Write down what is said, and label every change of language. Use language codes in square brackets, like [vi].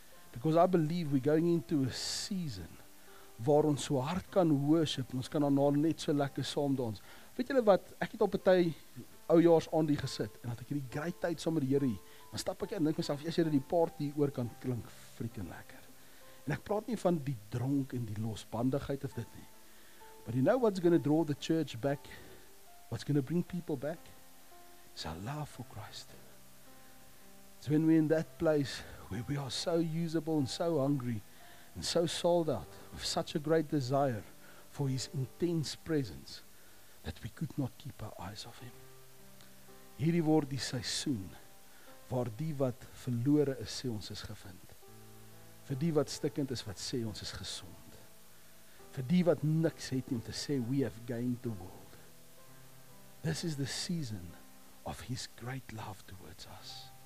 [en] Because I believe we're going into a season [af] waar ons so hard kan [en] worship. [af] Ons kan daarna net so lekker saam dans. Weet julle wat? Ek het op 'n tyd oujaars aan die gesit en had ek hierdie great tyd saam met die Here. Maar stap ek en dink myself, as jy dat die party oor kan klink, freaking lekker. En ek praat nie van die dronk en die losbandigheid of dit nie. [en] But you know what's going to draw the church back? What's going to bring people back? It's our love for Christ. It's when we're in that place where we are so usable and so hungry and so sold out with such a great desire for His intense presence that we could not keep our eyes off Him. [af] Hierdie word die seisoen waar die wat verlore is, sê ons is gevind. Vir die wat stikkend is, wat sê ons is gesond. Vir die wat niks het nie, om te sê, [en] we have gained the world. This is the season of His great love towards us.